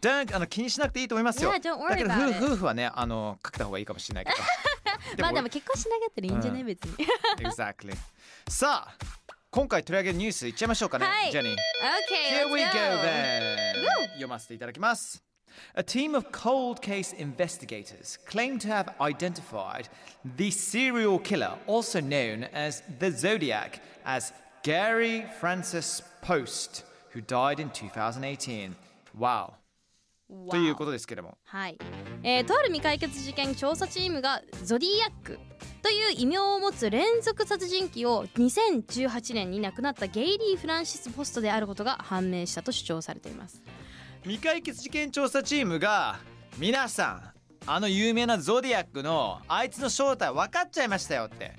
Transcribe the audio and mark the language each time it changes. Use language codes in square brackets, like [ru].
[ja] じゃあ気にしなくていいと思いますよ。 [en] yeah, don't worry about it。 [ja] だけど夫婦はね書けた方がいいかもしれないけどまあでも結婚しなかったらいいんじゃない、うん、別に [en] exactly。 [ja] さあ今回取り上げるニュースいっちゃいましょうかね、はい、ジェニー [en] okay, Here we go then。 [ja] 読ませていただきます。 [en] A team of cold case investigators claim to have identified the serial killer also known as the Zodiac as Gary Francis Post who died in 2018. Wow。 [ja] ということですけども、はい、とある未解決事件調査チームがゾディアックという異名を持つ連続殺人鬼を2018年に亡くなったゲイリー・フランシス・ポストであることが判明したと主張されています。未解決事件調査チームが、皆さんあの有名なゾディアックのあいつの正体分かっちゃいましたよって、